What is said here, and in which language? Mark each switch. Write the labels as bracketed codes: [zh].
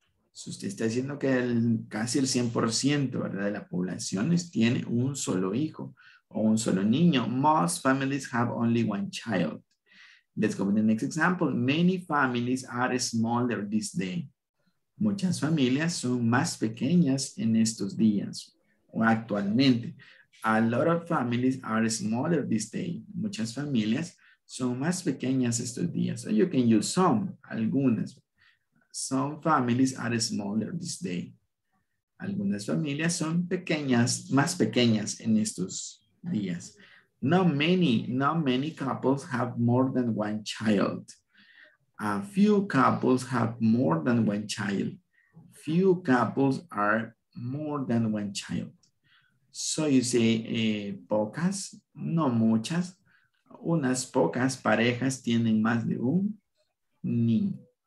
[es] Si usted está diciendo que casi el 100%, ¿verdad?, de la población tiene un solo hijo o un solo niño. [en] Most families have only one child. Let's go to the next example. Many families are smaller this day. [es] Muchas familias son más pequeñas en estos días o actualmente. [en] A lot of families are smaller this day. [es] Muchas familias son más pequeñas estos días. [en] So you can use some, algunas. Some families are smaller this day. [es] Algunas familias son pequeñas, más pequeñas en estos días. [en] Not many couples have more than one child. A few couples have more than one child. Few couples are more than one child. So you say [es] pocas, no muchas, unas pocas parejas tienen más de un niño.